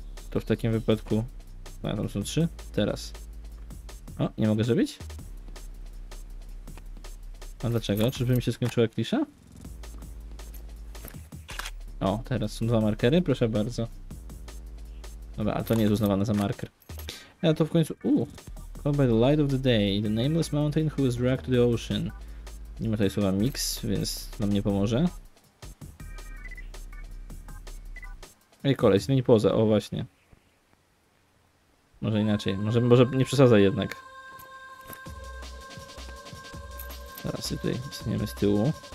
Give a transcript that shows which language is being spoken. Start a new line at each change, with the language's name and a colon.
Polish: To w takim wypadku... A, tam są trzy? Teraz. O, nie mogę zrobić? A dlaczego? Czyżby mi się skończyła klisza? O, teraz są dwa markery, proszę bardzo. Dobra, a to nie jest uznawane za marker. Ja to w końcu...
English: Called by the light of the day, the nameless mountain who is dragged to the ocean.
Polish: Nie ma tutaj słowa mix, więc nam nie pomoże. Ej, koleś, zmień pozę, o właśnie. Może inaczej, może nie przesadzaj jednak. Teraz się tutaj staniemy z tyłu.